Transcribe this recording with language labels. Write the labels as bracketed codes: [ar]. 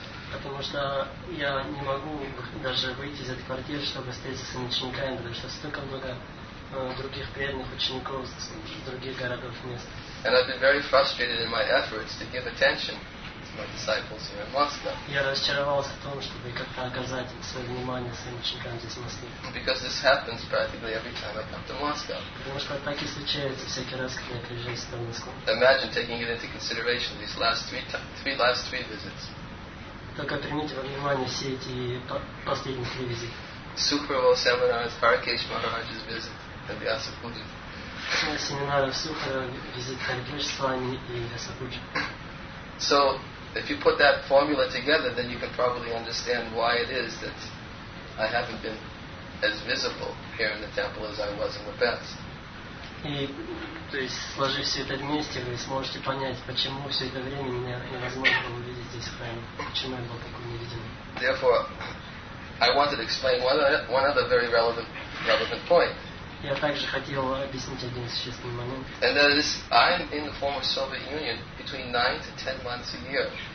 [ru] Потому что я не могу даже выйти из этой квартиры, чтобы встретиться с учениками, потому что столько много других преданных учеников из других городов мест. [en] And I've been very frustrated in my efforts to give attention. My disciples here in Moscow. [ru] Я разочаровался в том, чтобы как-то оказать свое внимание своим ученикам здесь в Москве. [en] Because this happens practically every time I come to Moscow. [ru] Потому что так и случается всякий раз, когда я приезжаю сюда в Москву. [en] Imagine taking it into consideration these last three visits. [ru] Только примите во внимание все эти последние три визита. [en] Sukhravo seminars, Harikesh Maharaj's visit, and the Asapuja. [ru] Семинары в Сухарево, визит Харикеш Свами и Асапуджа. [en] So if you put that formula together, then you can probably understand why it is that I haven't been as visible here in the temple as I was in the past. [ru] И то есть сложив все это вместе, вы сможете понять, почему все это время мне невозможно было увидеть здесь в храме, почему я был такой невидимый. [en] Therefore, I wanted to explain one other very relevant point. [ru] Я также хотел объяснить один существенный момент. [en] And that is, I'm in the former Soviet Union between 9 to 10 months a year.